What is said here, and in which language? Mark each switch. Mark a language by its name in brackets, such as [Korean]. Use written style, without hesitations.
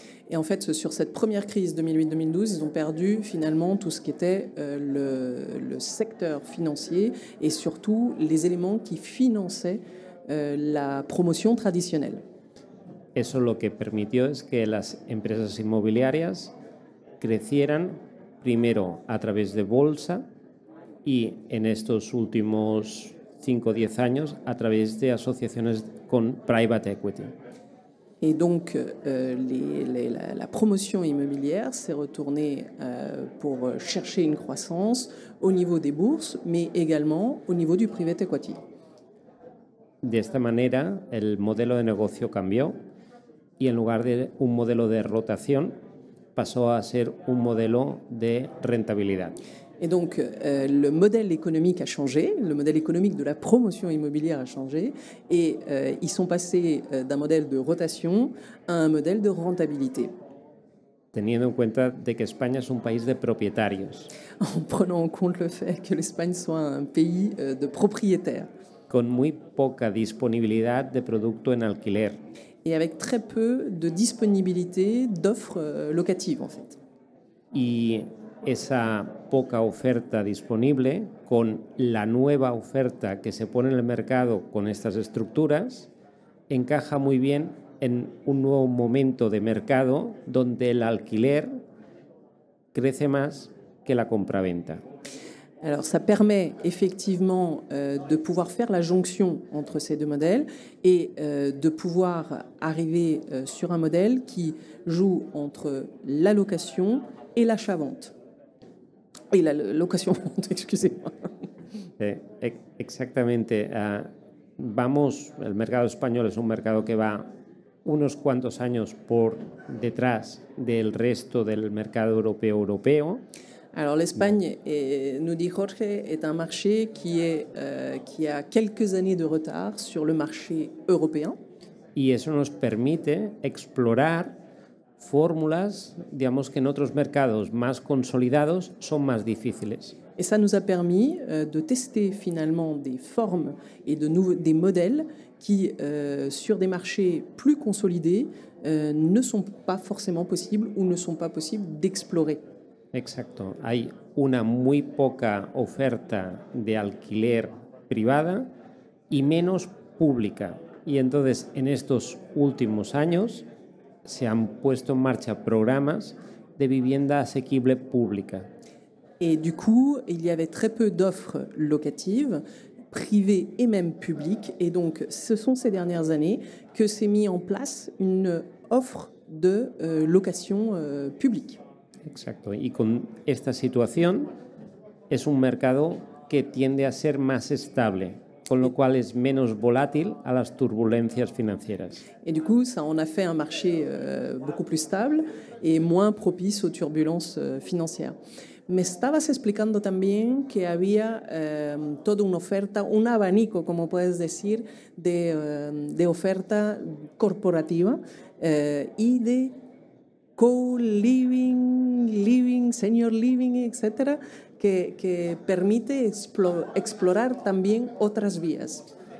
[French] Et en fait, sur cette première crise 2008-2012, ils ont perdu finalement tout ce qui était le secteur financier et surtout les éléments qui finançaient la promotion traditionnelle. [Spanish] Eso lo que permitió es que las empresas inmobiliarias crecieran primero a través de bolsa y en estos últimos 5 o 10 años a través de asociaciones con private equity. [French] Et donc, la promotion immobilière s'est retournée pour chercher une croissance au niveau des bourses, mais également au niveau du private equity. [Spanish] De esta manera, el modelo de negocio cambió y en lugar de un modelo de rotación, pasó a ser un modelo de rentabilidad. [French] Et donc, le modèle économique a changé, le modèle économique de la promotion immobilière a changé, et ils sont passés d'un modèle de rotation à un modèle de rentabilité. [Spanish] Teniendo en cuenta de que España es un país de propietarios. [French] En prenant en compte le fait que l'Espagne soit un pays de propriétaires. [Spanish] Con muy poca disponibilidad de producto en alquiler. [French] Et avec très peu de disponibilité d'offres locatives, en fait. [Spanish] Y esa poca oferta disponible con la nueva oferta que se pone en el mercado con estas estructuras encaja muy bien en un nuevo momento de mercado donde el alquiler crece más que la compraventa. [French] Alors, ça permet effectivement de pouvoir faire la jonction entre ces deux modèles et de pouvoir arriver sur un modèle qui joue entre la location et l'achat-vente. Et la location-vente, excusez-moi. Exactement. [Spanish] Vamos, el mercado español es un mercado que va unos cuantos años por detrás del resto del mercado europeo. [French] Alors l'Espagne, nous dit Jorge, est un marché qui a quelques années de retard sur le marché européen. [Spanish] Y eso nos permite explorar fórmulas, digamos, que en otros mercados más consolidados son más difíciles. [French] Et ça nous a permis de tester finalement des formes et de nouveaux des modèles qui, sur des marchés plus consolidés, ne sont pas forcément possibles ou ne sont pas possibles d'explorer. [Spanish] Exacto. Hay una muy poca oferta de alquiler privada y menos pública. Y entonces, en estos últimos años, se han puesto en marcha programas de vivienda asequible pública. [French] Et du coup, il y avait très peu d'offres locatives, privées et même publiques. Et donc, ce sont ces dernières années que s'est mis en place une offre de location publique. [Spanish] Exacto. Y con esta situación es un mercado que tiende a ser más estable, con lo cual es menos volátil a las turbulencias financieras. [French] Et du coup, ça en a fait un marché beaucoup plus stable et moins propice aux turbulences financières. [Spanish] Me estabas explicando también que había toda una oferta, un abanico, como puedes decir, de oferta corporativa y de co-living, living, senior living, etcétera, que permite explorar también otras vías.